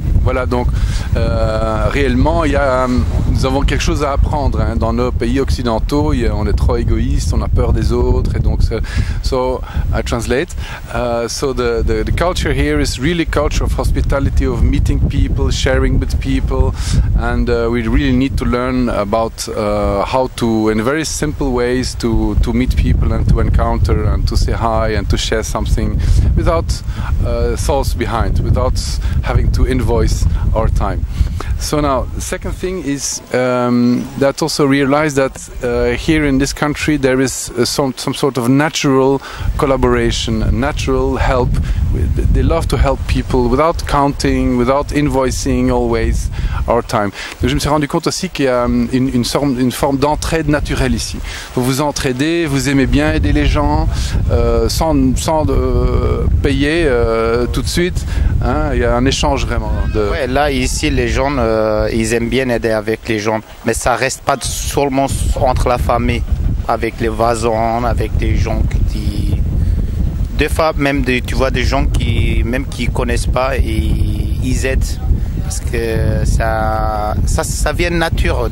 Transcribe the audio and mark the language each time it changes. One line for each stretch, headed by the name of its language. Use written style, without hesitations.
French: Voilà, donc réellement, nous avons quelque chose à apprendre, hein, dans nos pays occidentaux. On est trop égoïste, on a peur des autres, et donc,
English: the culture here is really culture of hospitality, of meeting people, sharing with people, and we really need to learn about how to, in very simple ways, to meet people and to encounter and to say hi and to share something without thoughts behind, without having to invoice our time. So now, the second thing is that also realize that here in this country there is some sort of natural collaboration, natural help. They love to help people without counting, without invoicing always our time.
French: Donc je me suis rendu compte aussi qu'il y a une forme d'entraide naturelle ici. Vous vous entraidez, vous aimez bien aider les gens sans payer tout de suite. Hein, il y a un échange vraiment. Ouais, là ici les gens ils aiment bien aider avec les gens, mais ça reste pas seulement entre la famille, avec les voisins, avec des gens qui des fois même tu vois des gens qui même qui connaissent pas et ils aident parce que ça vient de nature.